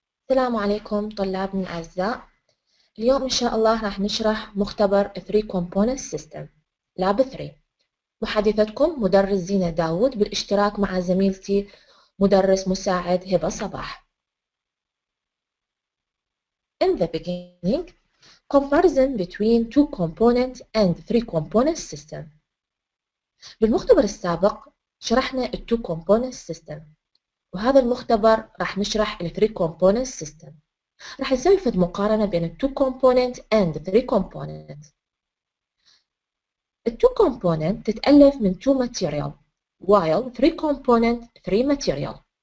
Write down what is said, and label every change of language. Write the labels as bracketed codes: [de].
[ar] السلام عليكم طلابنا الأعزاء، اليوم إن شاء الله راح نشرح مختبر 3 Component System Lab 3. محادثتكم مدرس زينة داود بالاشتراك مع زميلتي مدرس مساعد هبة صباح. [en] In the beginning, comparison between two component and three component system. [ar] بالمختبر السابق شرحنا التو كومبوننت سيستم، وهذا المختبر راح نشرح الثري كومبوننت سيستم. راح نسوي فد مقارنة بين [en] التو component and three component. التو component [ar] تتألف من [en] Two material, while three component three material.